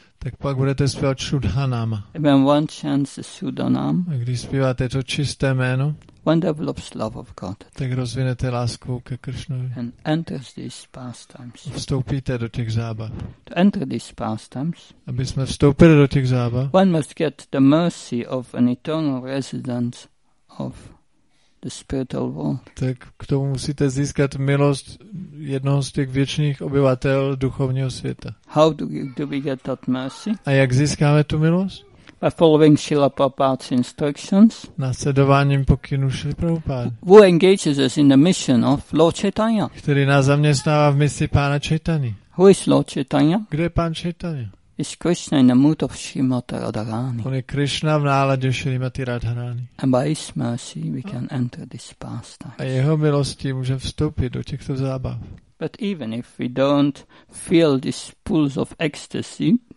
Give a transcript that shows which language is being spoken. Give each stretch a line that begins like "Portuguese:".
Czech: Tak pak budete zpívat Sudhanama.
English: And when one chants the Sudanam.
Czech: A když zpíváte to čisté jméno.
English: One develops love of God.
Czech: Tak rozvinete lásku ke Krishnovi.
English: And enters these pastimes.
Czech: Vstoupíte do těch zábav.
English: To enter these pastimes.
Czech: Aby jsme vstoupili do těch zábav.
English: One must get the mercy of an eternal resident of the spiritual world.
Czech: Tak k tomu musíte získat milost jednoho z těch věčných obyvatel duchovního světa.
English: How do we get that mercy?
Czech: A jak získáme tu milost?
English: By following Srila Prabhupada's instructions.
Czech: Následováním pokynů Srila Prabhupada.
English: Who engages us in the mission of Lord Chaitanya.
Czech: Který nás zaměstnává v misi Pána Chaitany.
English: Who is Lord Chaitanya?
Czech: Kde je Pán Chaitanya?
English: Is Krishna in the mood of Srimati Radharani.
Czech: On je Krishna v náladě Srimati Radharani.
English: And by his mercy we can enter this pastime.
Czech: A jeho milostí může vstoupit do těchto zábav.
English: But even if we don't feel these pulls of ecstasy,